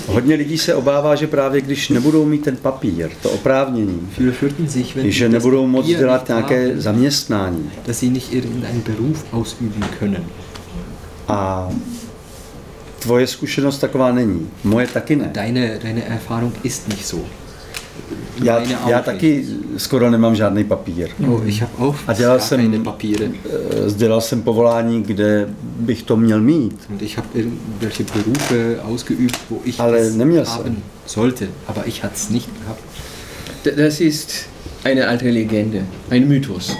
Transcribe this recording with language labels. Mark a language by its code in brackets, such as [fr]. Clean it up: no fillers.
[cs] Hodně lidí se obává, že právě když nebudou mít ten papír, to oprávnění. [de] Viele fürchten sich, [cs] že nebudou moct dělat nějaké zaměstnání. [de] Dass sie nicht irgendeinen Beruf ausüben können. [cs] A tvoje zkušenost taková není. Moje taky ne. [de] Deine Erfahrung ist nicht so. [cs] Já taky skoro nemám žádný papír. [de] No, ich hab auch keine Papiere. [cs] Dělal jsem povolání, kde bych to měl mít. [de] Und ich habe irgendwelche Berufe ausgeübt, wo ich es haben sollte, aber ich hatte es nicht gehabt. Das ist eine alte Legende, ein Mythos.